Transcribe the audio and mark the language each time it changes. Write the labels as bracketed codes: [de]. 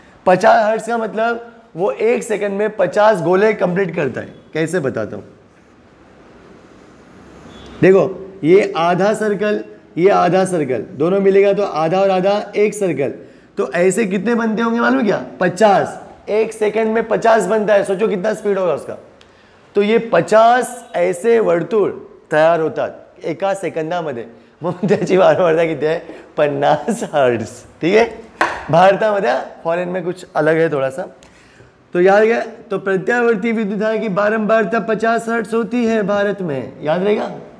[hi] 50 hertz का मतलब वो 1 सेकंड में 50 गोले कंप्लीट करता है। कैसे बताता हूँ, देखो ये आधा सर्कल, ये आधा सर्कल, दोनों मिलेगा तो आधा और आधा एक सर्कल, तो ऐसे कितने बनते होंगे मालूम क्या, 50, 1 सेकंड में 50 बनता है, सोचो कितना स्पीड होगा उसका। तो ये 50 ऐसे [mr] वर्तुळ तैयार होता एका सेकंदामध्ये, मग त्याची वारंवारता किती आहे, 50 हर्ट्स, ठीक आहे। [hi] भारतामध्ये, फॉरेन में कुछ अलग है थोड़ा सा, तो याद गया, तो प्रत्यावर्ती विद्युत धारा की बारंबारता 50 हर्ट्स होती है भारत में, याद रहेगा।